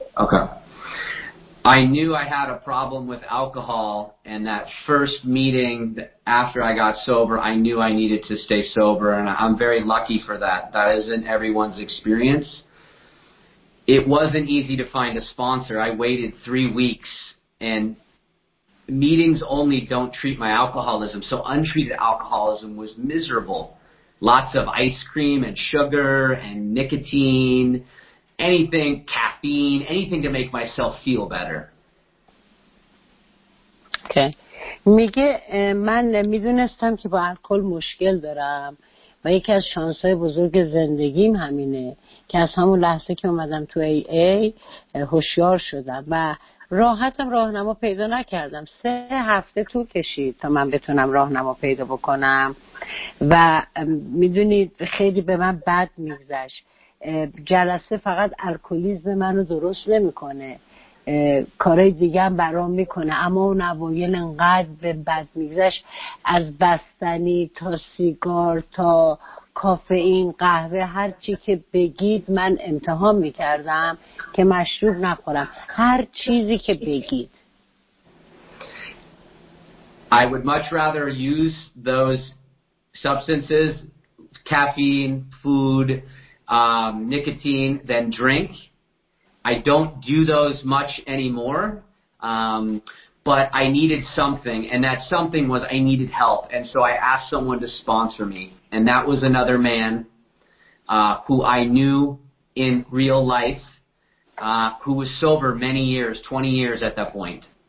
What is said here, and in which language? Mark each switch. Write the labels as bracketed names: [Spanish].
[English] Okay I knew I had a problem with alcohol and that first meeting after I got sober I knew I needed to stay sober and I'm very lucky for that that isn't everyone's experience it wasn't easy to find a sponsor I waited 3 weeks and Meetings only don't treat my alcoholism, so untreated alcoholism was miserable. Lots of ice cream and sugar and nicotine, anything, caffeine, anything to make myself feel better. Okay. [Persian] میگه من میدونستم که با الکل مشکل دارم و یکی از شانس‌های بزرگ زندگیم همینه که از همون لحظه که اومدم تو AA هوشیار شدم و راحتم راهنما پیدا نکردم 3 هفته طول کشید تا من بتونم راهنما پیدا بکنم و میدونید خیلی به من بد میگذشت جلسه فقط الکلیسم منو درست نمیکنه کارهای دیگه هم برام میکنه اما اون اوایل انقدر به بد میگذشت از بستنی تا سیگار تا کافئین قهوه هر چی که بگید من امتحان میکردم که مشروب نخورم هر چیزی که بگید [English] I would much rather use those substances caffeine food nicotine than drink I don't do those much anymore but I needed something and that something was I needed help and so I asked someone to sponsor me And that was another man who I knew in real life, who was sober many years, 20 years at that point.